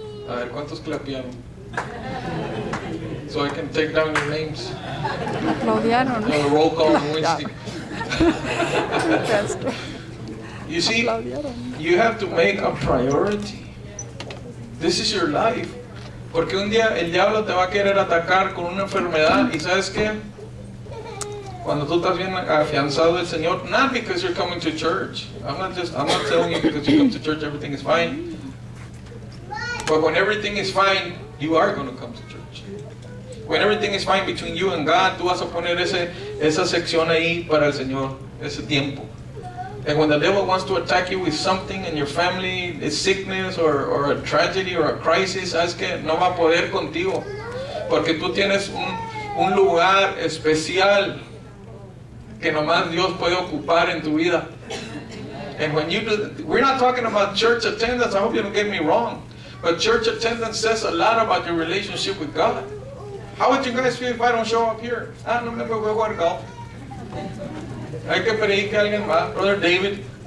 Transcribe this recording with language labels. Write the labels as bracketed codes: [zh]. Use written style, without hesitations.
[es] A ver, ¿cuántos clapearon? [en] So I can take down your names. [es] Aplaudieron. [en] No, the roll call on Wednesday. That's true. You see, you have to make a priority. This is your life. [es] Porque un día el diablo te va a querer atacar con una enfermedad. Y sabes qué, cuando tú estás bien afianzado del Señor, [en] not because you're coming to church. I'm not telling you because you come to church, everything is fine. But when everything is fine, you are going to come to church. When everything is fine between you and God, [es] tú vas a poner esa sección ahí para el Señor, ese tiempo. [en] And when the devil wants to attack you with something in your family, a sickness or a tragedy or a crisis, [es] sabes que no va a poder contigo. Porque tú tienes un lugar especial que nomás Dios puede ocupar en tu vida. [en] And when you do, we're not talking about church attendance, I hope you don't get me wrong. But church attendance says a lot about your relationship with God. How would you guys feel if I don't show up here? [es] Ah, no me voy a jugar golf. Hay que pedir que alguien va. Brother David.